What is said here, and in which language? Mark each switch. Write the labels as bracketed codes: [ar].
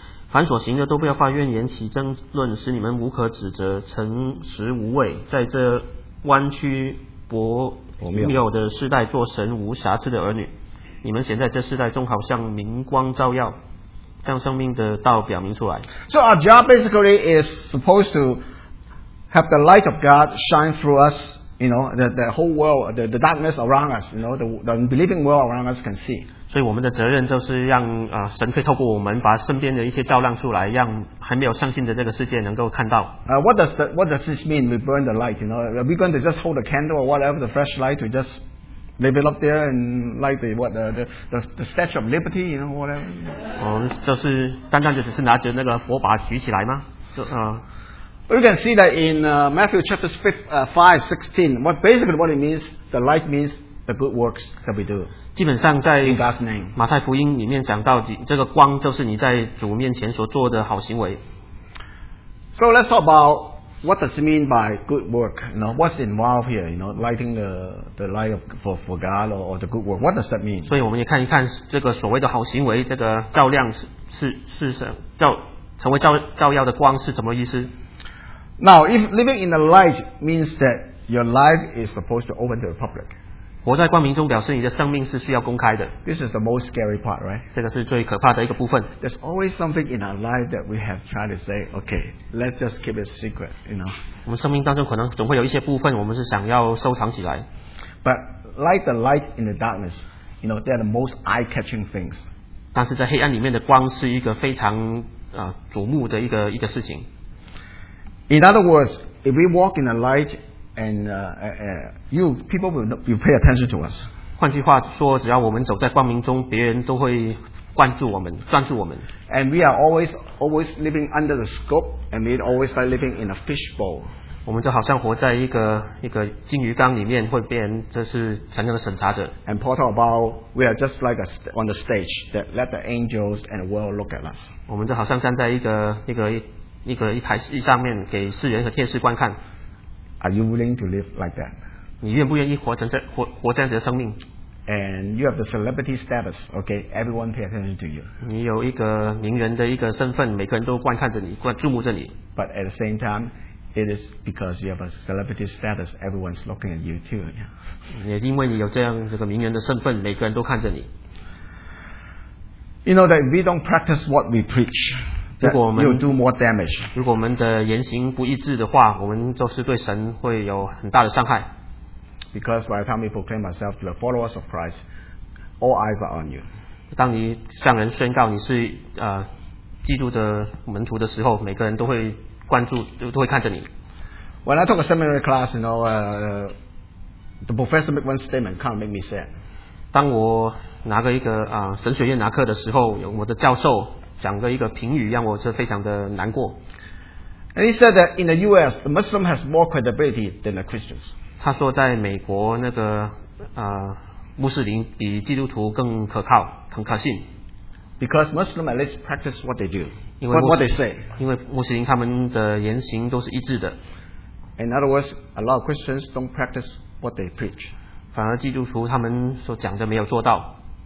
[zh] 凡所行的都不要发怨言起争论，使你们无可指责，诚实无畏，在这弯曲薄谬的世代做神无瑕疵的儿女。你们显在这世代中好像明光照耀。将生命的道表明出来。 [en] So our job basically is supposed to have the light of God shine through us, you know, the whole world, the darkness around us, you know, the unbelieving world around us can see. [zh] 所以我们的责任就是让神可以透过我们把身边的一些照亮出来，让还没有相信的这个世界能够看到。 [en] What does this mean? We burn the light, you know, are we going to just hold a candle or whatever, the fresh light to just live it up there and like the Statue of Liberty, you know, whatever. [zh] 就是单单就只是拿着那个火把举起来吗？ [en] But you can see that in Matthew chapter 5:16, what it means, the light means the good works that we do. [zh] 基本上在马太福音里面讲到，这个光就是你在主面前所做的好行为。 [en] So let's talk about What does it mean by good work? You know, what's involved here? You know, lighting the light of, for God or the good work. What does that mean? [zh] 所以我们也看一看这个所谓的好行为，这个照亮是什照成为照耀的光是怎么意思？ [en] Now, if living in the light means that your life is supposed to open to the public. [zh] 活在光明中表示你的生命是需要公开的。 [en] This is the most scary part, right? [zh] 这个是最可怕的一个部分。 [en] There's always something in our life that we have tried to say, okay, let's just keep it secret, you know. [zh] 我们生命当中可能总会有一些部分我们是想要收藏起来。 [en] But like the light in the darkness, you know, they're the most eye-catching things. [zh] 但是在黑暗里面的光是一个非常瞩目的一个事情。 [en] In other words, if we walk in the light,And people will pay attention to us. [zh] 换句话说，只要我们走在光明中，别人都会关注我们，专注我们。 [en] And we are always living under the scope, and we always like living in a fishbowl. [zh] 我们就好像活在一个金鱼缸里面，会被人就是常常的审查着。 [en] And Paul talked about we are just like on the stage that let the angels and the world look at us. [zh] 我们就好像站在一个台戏上面，给世人和天使观看。 [en] Are you willing to live like that? [zh] 你愿不愿意活这样子的生命？ [en] And you have the celebrity status, okay? Everyone pay attention to you. [zh] 你有一个名人的一个身份，每个人都观看着你，注目着你。 [en] But at the same time, it is because you have a celebrity status, everyone's looking at you too. [zh] 也因为你有这样这个名人的身份，每个人都看着你。 [en] You know that we don't practice what we preach. You'll do more damage. [zh] 如果我们的言行不一致的话，我们就是对神会有很大的伤害。 [en] Because by the time we proclaim ourselves to the followers of Christ, all eyes are on you. [zh] 当你向人宣告你是基督的门徒的时候，每个人都会关注，都会看着你。 [en] When I took a seminary class, you know, the professor made one statement, kind of made me sad. [zh] 当我拿个一个神学院拿课的时候，有我的教授。讲个一个评语让我是非常的难过。 [en] And he said that in the U.S. the Muslim has more credibility than the Christians. [zh] 他说在美国那个穆斯林比基督徒更可靠，很可信。 [en] Because Muslim at least practice what they do, what they say. [zh] 因为穆斯林他们的言行都是一致的。 [en] In other words, a lot of Christians don't practice what they preach. [zh] 反而基督徒他们所讲的没有做到。